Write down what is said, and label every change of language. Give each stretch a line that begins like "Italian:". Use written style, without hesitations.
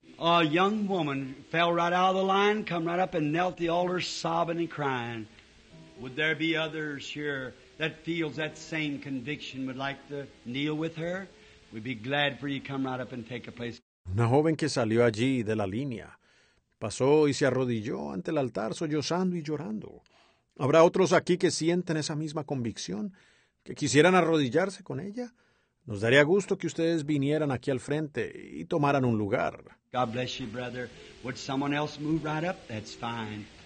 English: A young woman fell right out of the line, come right up and knelt at the altar, sobbing and crying. Would there be others here that feels that same conviction, would like to kneel with her? We'd be glad for you to come right up and take a place.
Spanish: Una joven que salió allí de la línea pasó y se arrodilló ante el altar, sollozando y llorando. ¿Habrá otros aquí que sienten esa misma convicción, que quisieran arrodillarse con ella? Nos daría gusto que ustedes vinieran aquí al frente y tomaran un lugar.
English: God bless you, brother. Would someone else move right up? That's fine.